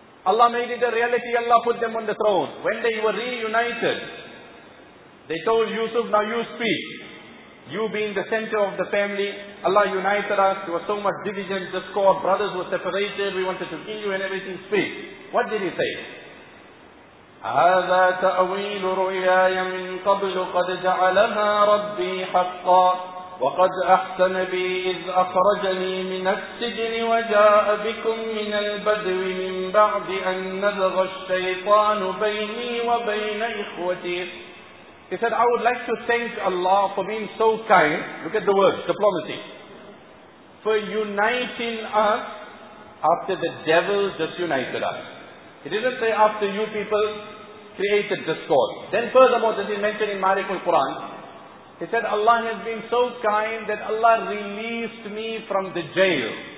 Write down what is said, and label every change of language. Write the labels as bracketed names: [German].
[English] Allah made it a reality, Allah put them on the throne. When they were reunited, they told Yusuf, now you speak. You being the center of the family, Allah united us, there was so much division, discord, brothers were separated, we wanted to kill you and everything, speak. What did he say? [Arabic] هذا تأويل رؤياي من قبل قد جعلها ربي حقا وقد أحسن بي إذ أخرجني من السجن وجاء بكم من البدو من بعد أن نزغ الشيطان بيني وبين إخوتي. [English] He said, I would like to thank Allah for being so kind. Look at the word, diplomacy. For uniting us after the devil disunited us. He didn't say after you people created discord. Then furthermore, this is mentioned in Malik al-Quran. He said, Allah has been so kind that Allah released me from the jail.